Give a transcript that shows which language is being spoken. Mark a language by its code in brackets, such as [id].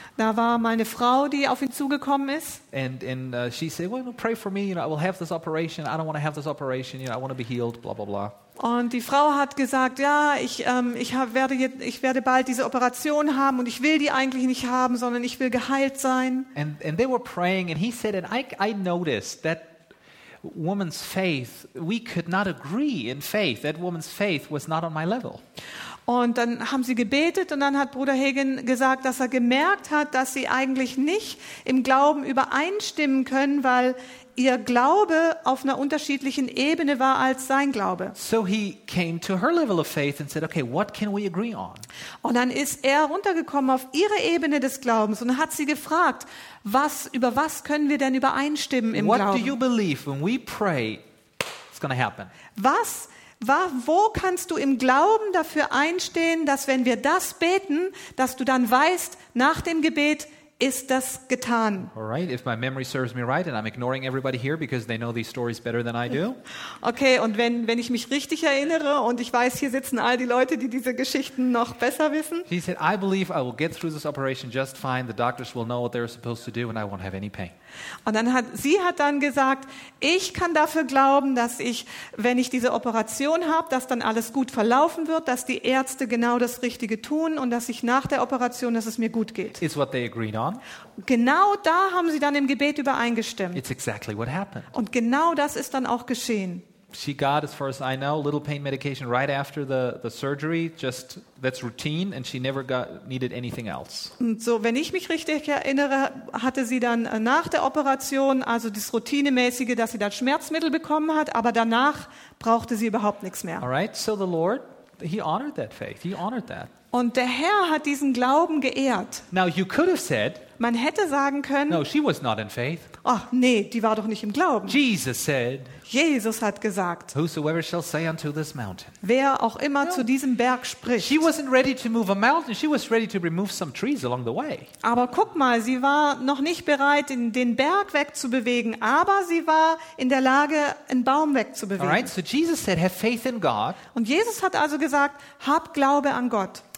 [de] Da war mal eine Frau, die auf ihn zugekommen ist. [en] And she said, well, pray for me, you know, I will have this operation. I don't want to have this operation. You know, I want to be healed. Blah blah blah. [de] Und die Frau hat gesagt, ja, ich werde bald diese Operation haben und ich will die eigentlich nicht haben, sondern ich will geheilt sein. [en] And they were praying and he said, and I noticed that woman's faith, we could not agree in faith. That woman's faith was not on my level. [de] Und dann haben sie gebetet und dann hat Bruder Hagin gesagt, dass er gemerkt hat, dass sie eigentlich nicht im Glauben übereinstimmen können, weil ihr Glaube auf einer unterschiedlichen Ebene war als sein Glaube. [en] So he came to her level of faith and said, okay, what can we agree on? [de] Und dann ist er runtergekommen auf ihre Ebene des Glaubens und hat sie gefragt, über was können wir denn übereinstimmen im [en] what [de] Glauben? [en] What do you believe when we pray? It's going to happen. [de] Wo kannst du im Glauben dafür einstehen, dass wenn wir das beten, dass du dann weißt, nach dem Gebet ist das getan? [en] All right, if my memory serves me right, and I'm ignoring everybody here because they know these stories better than I do. [de] Okay, und wenn ich mich richtig erinnere und ich weiß, hier sitzen all die Leute, die diese Geschichten noch besser wissen. [en] He said, I believe I will get through this operation just fine. The doctors will know what they're supposed to do and I won't have any pain. [de] Und dann hat sie dann gesagt, ich kann dafür glauben, dass ich, wenn ich diese Operation habe, dass dann alles gut verlaufen wird, dass die Ärzte genau das Richtige tun und dass ich nach der Operation, dass es mir gut geht. [en] It's what they agreed on. [de] Genau da haben sie dann im Gebet übereingestimmt. [en] It's exactly what happened. [de] Und genau das ist dann auch geschehen. [en] She got, as far as I know, a little pain medication right after the surgery. Just that's routine, and she never needed anything else. [de] Und so, wenn ich mich richtig erinnere, hatte sie dann nach der Operation also das Routinemäßige, dass sie dann Schmerzmittel bekommen hat, aber danach brauchte sie überhaupt nichts mehr. [en] All right. So the Lord, he honored that faith. He honored that. [de] Und der Herr hat diesen Glauben geehrt. [en] Now you could have said. [de] Man hätte sagen können. [en] No, she was not in faith. [de] Ach, nee, die war doch nicht im Glauben. [en] Jesus said. [de] Jesus hat gesagt. [en] Whosoever shall say unto this mountain. [de] Wer auch immer zu diesem Berg spricht. [en] She wasn't ready to move a mountain. She was ready to remove some trees along the way. [de] Aber guck mal, sie war noch nicht bereit, den Berg wegzubewegen, aber sie war in der Lage, einen Baum wegzubewegen. [en] All right, so Jesus said, have faith in God. [de] Und Jesus hat also gesagt, hab Glaube an Gott.